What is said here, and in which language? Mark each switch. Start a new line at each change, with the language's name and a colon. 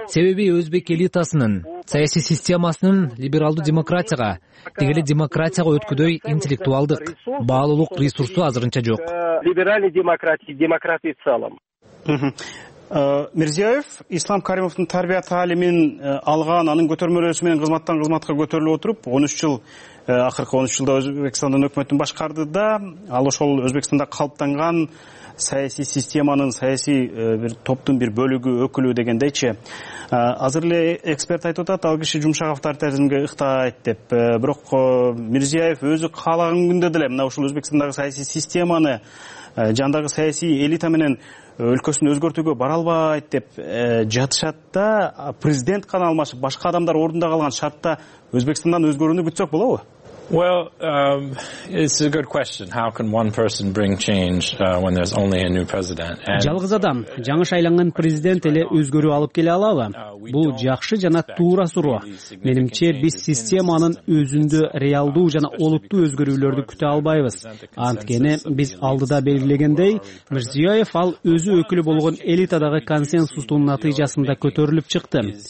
Kyrgyz: Себеби өзбек элитасынын саясий системасынын либералдуу демократияга, деги эле демократияга өткүдөй интеллектуалдык баалуулук ресурсу азырынча жок.
Russian: Либеральный демократия, демократия в целом.
Kyrgyz: Мирзиёев Ислам Каримовдун тарбия таалимин алган, анын көтөрмөлөөсү менен кызматтан кызматка көтөрүлүп отуруп 13 жыл акыркы 13 жылда Өзбекстандын өкмөтүн башкарды да, ал ошол Өзбекстанда калыптанган саясий системанын, саясий бир топтун бир бөлүгү, өкүлү дегендейчи. Азыр эле эксперт айтып атат, ал киши жумшак авторитаризмге ыктайт деп. Бирок Мирзиёев өзү каалаган күндө деле мына ушул Өзбекстандагы саясий системаны жандагы саясий элита менен өлкөсүн өзгөртүүгө бара албайт деп жатышат да, президент гана алмашып башка адамдар ордунда калган шартта Өзбекстандан өзгөрүүнү күтсөк болобу?
English: Well, it's a good question. How can one person bring change when there's only a new president?
Kyrgyz: Жалгыз адам жаңы шайланган президент эле өзгөрүү алып келе алабы? Бул жакшы жана туура суроо. Менимче, биз системанын өзүндө реалдуу жана олуттуу өзгөрүүлөрдү күтө албайбыз. Анткени биз алдыда белгилегендей, Мирзиёев ал өзү өкүлү болгон элитадагы консенсустун натыйжасында көтөрүлүп чыкты.